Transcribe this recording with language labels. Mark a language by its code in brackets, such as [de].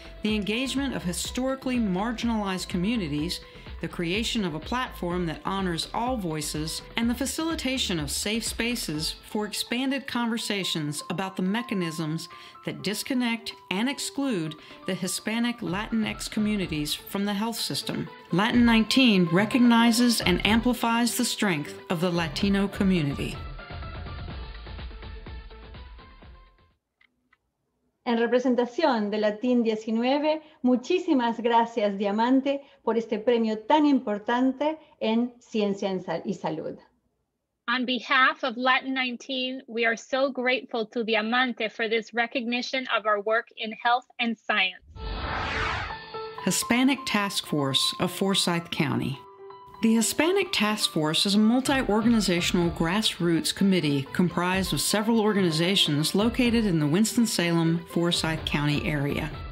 [en] the engagement of historically marginalized communities, the creation of a platform that honors all voices, and the facilitation of safe spaces for expanded conversations about the mechanisms that disconnect and exclude the Hispanic Latinx communities from the health system. Latin 19 recognizes and amplifies the strength of the Latino community. [es] En representación de Latin 19, muchísimas gracias, Diamante, por este premio tan importante en ciencia y salud. [en] On behalf of Latin 19, we are so grateful to Diamante for this recognition of our work in health and science. Hispanic Task Force of Forsyth County. The Hispanic Task Force is a multi-organizational grassroots committee comprised of several organizations located in the Winston-Salem, Forsyth County area.